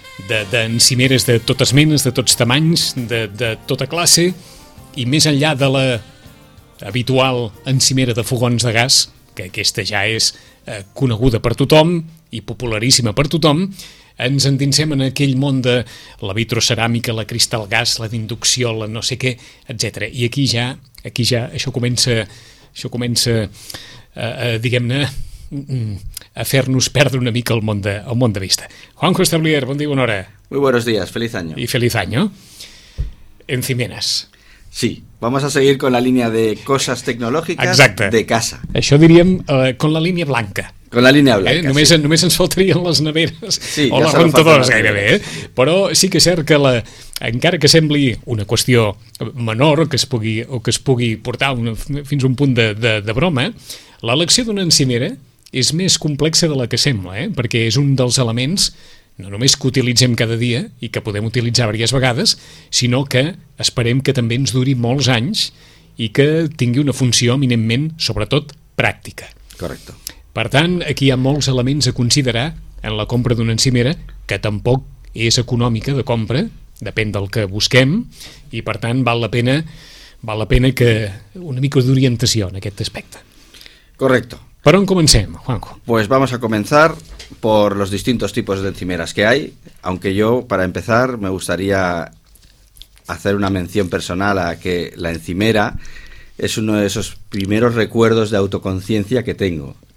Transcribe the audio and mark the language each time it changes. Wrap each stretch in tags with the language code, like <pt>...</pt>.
<ca>d'encimeres de totes menes, de tots tamanys, de tota classe, i més enllà de la habitual encimera de fogons de gas, que aquesta ja és coneguda per tothom i popularíssima per tothom, ens endinsem en aquell món de la vitroceràmica, la cristal gas, la d'inducció, la no sé què, etc. I aquí ja, això comença, diguem-ne, a fer-nos perdre una mica el món de vista. Juanjo Establier, bon dia, bona hora.</ca> <es>Muy buenos días, feliz año. Y feliz año. Encimeras. Sí, vamos a seguir con la línea de cosas tecnológicas.</es> <ca>Exacte. De casa. Això diríem con la línia blanca. Con la línia blanca, Només, sí. Només ens faltarien les neveres, sí, o ja les rentadores, gairebé. Però sí que és cert que, encara que sembli una qüestió menor o que es pugui portar fins a un punt de broma, l'elecció d'una encimera és més complexa de la que sembla, perquè és un dels elements no només que utilitzem cada dia i que podem utilitzar diverses vegades, sinó que esperem que també ens duri molts anys i que tingui una funció eminentment, sobretot, pràctica. Correcte. Per tant, aquí hi ha molts elements a considerar en la compra d'una encimera, que tampoc és econòmica de compra, depèn del que busquem, i per tant val la pena que una mica d'orientació en aquest aspecte.</ca> <es>Correcto.</es> <ca>Per on comencem, Juanjo?</ca> <es>Pues vamos a comenzar por los distintos tipos de encimeras que hay, aunque yo, para empezar, me gustaría hacer una mención personal a que la encimera es uno de esos primeros recuerdos de autoconciencia que tengo.</es>